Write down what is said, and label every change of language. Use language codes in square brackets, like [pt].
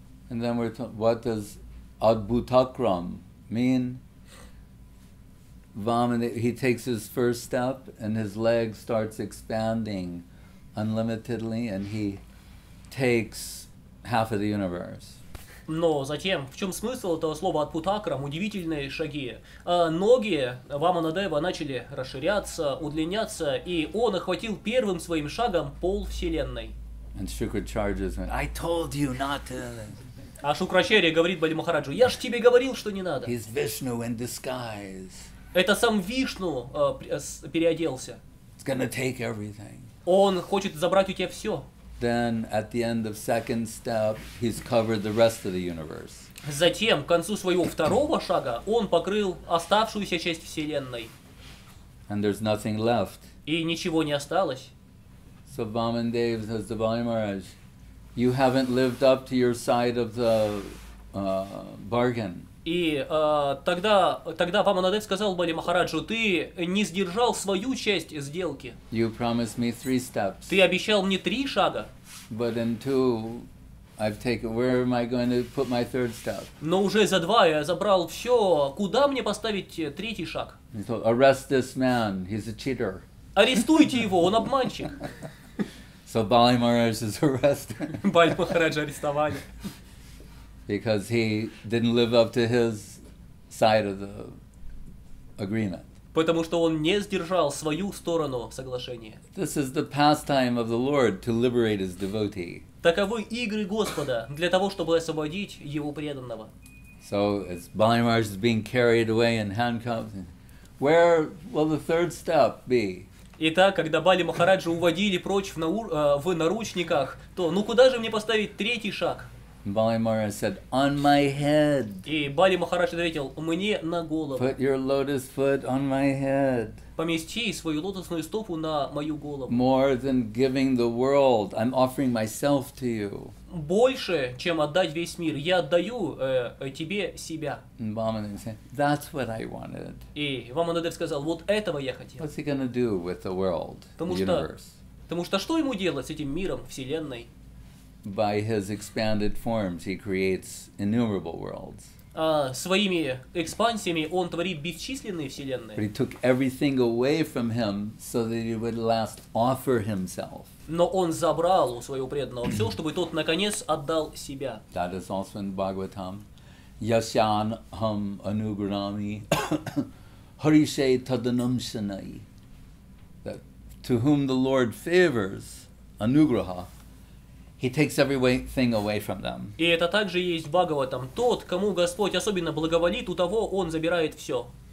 [en] And then we're talking, what does adbhutakram mean? Vamanadev, he takes his first step and his leg starts expanding unlimitedly and he takes half of the universe. [ru] Но затем, в чем смысл этого слова «адбхутакрам»? Удивительные шаги. Ноги Ваманадева начали расширяться, удлиняться, и он охватил первым своим шагом пол Вселенной. [en] And Shukracharya says, I told you not to. [ru] А Шукрачарья говорит Бали Махараджу, я же тебе говорил, что не надо. [en] He's Vishnu in disguise. [ru] Это сам Вишну переоделся. [en] It's gonna take everything. [ru] Он хочет забрать у тебя все. [en] Then at the end of second step, he's covered the rest of the universe. [ru] Затем, к концу своего второго шага, он покрыл оставшуюся часть Вселенной. [en] And there's nothing left. [ru] И ничего не осталось. [en] So Vamandev says to Bali Maharaj, you haven't lived up to your side of the bargain. [ru] И тогда Ваманадев сказал Бали Махараджу, ты не сдержал свою часть сделки. [en] You promised me three steps. [ru] Ты обещал мне три шага. [en] But in two, I've taken, where am I going to put my third step? [ru] Но уже за два я забрал все, куда мне поставить третий шаг? [en] He thought, arrest this man, he's a cheater. [ru] Арестуйте его, он обманщик. [en] So Bali Maharaj is arrested. [ru] Бали Махараджа арестовали. [en] Because he didn't live up to his side of the agreement. [ru] Потому что он не сдержал свою сторону соглашения. [en] This is the pastime of the Lord to liberate his devotee. [ru] Таковы игры Господа для того, чтобы освободить его преданного. [en] So as Bali Maharaj is being carried away in handcuffs, where will the third step be? [ru] Итак, когда Бали Махараджа уводили прочь в наручниках, то ну куда же мне поставить третий шаг? [en] Бали Махарадж said, "On my head." [ru] И Бали Махарадж ответил: "Мне на голову." [en] Put your lotus foot on my head. [ru] Помести свою лотосную стопу на мою голову. [en] More than giving the world, I'm offering myself to you. [ru] Больше, чем отдать весь мир, я отдаю тебе себя. [en] And Баламадев said, "That's what I wanted." [ru] И Ваманадев сказал: "Вот этого я хотел." [en] What's he gonna do with the world, the universe? [ru] Потому что что ему делать с этим миром, вселенной? [en] By his expanded forms, he creates innumerable worlds. [ru] Своими экспансиями он творит бесчисленные вселенные. [en] But he took everything away from him so that he would last offer himself. [ru] Но он забрал у своего преданного все, чтобы тот наконец отдал себя. [en] That is also in Bhagavatam. [sa] Yasyan ham anugrami harishe tadanamsanai. [en] That to whom the Lord favors anugraha, He takes everything away from them. [ru] И это также есть в Бхагаватам. Тот, кому Господь особенно благоволит, у того он забирает все.